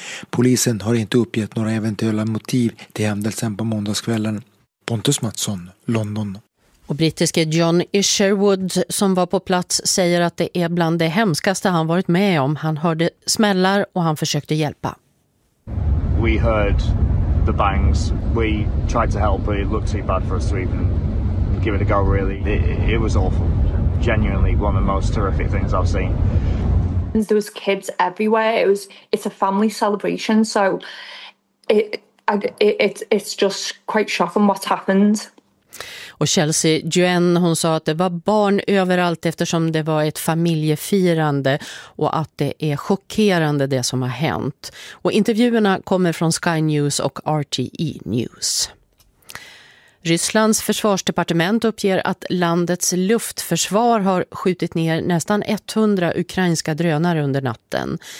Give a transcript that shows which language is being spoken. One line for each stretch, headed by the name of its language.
Swedish: Polisen har inte uppgett några eventuella motiv till händelsen på måndagskvällen. Pontus Mattsson, London. Och brittiske John Isherwood som var på plats säger att det är bland det hemskaste han varit med om. Han hörde smällar och han försökte hjälpa.
English: We heard the bangs. We tried to help, but it looked too bad for us to even give it a go really. It was awful. Genuinely one of the most terrific things I've seen. There was kids everywhere. It's a family celebration, so it's just quite shocking what happened.
Swedish: Och Chelsea Duen, hon sa att det var barn överallt eftersom det var ett familjefirande och att det är chockerande det som har hänt. Och intervjuerna kommer från Sky News och RTE News. Rysslands försvarsdepartement uppger att landets luftförsvar har skjutit ner nästan 100 ukrainska drönare under natten.